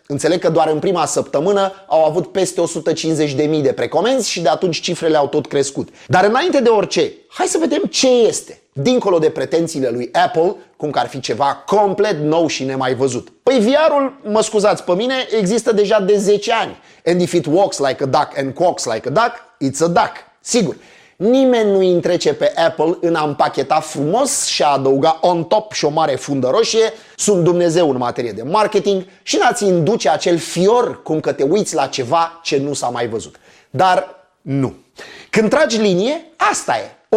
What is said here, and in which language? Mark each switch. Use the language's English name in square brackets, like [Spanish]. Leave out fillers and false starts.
[Romanian] Înțeleg că doar în prima săptămână au avut peste 150.000 de precomenzi și de atunci cifrele au tot crescut. Dar înainte de orice, hai să vedem ce este, dincolo de pretențiile lui Apple, cum că ar fi ceva complet nou și nemai văzut. Păi VR-ul, mă scuzați pe mine, există deja de 10 ani. [English] And if it walks like a duck and quacks like a duck, it's a duck. [Romanian] Sigur. Nimeni nu întrece pe Apple în a împacheta frumos și a adăuga [English] on top [Romanian] și o mare fundă roșie, sunt Dumnezeu în materie de marketing și n-ați induce acel fior cum că te uiți la ceva ce nu s-a mai văzut. Dar nu. Când tragi linie, asta e.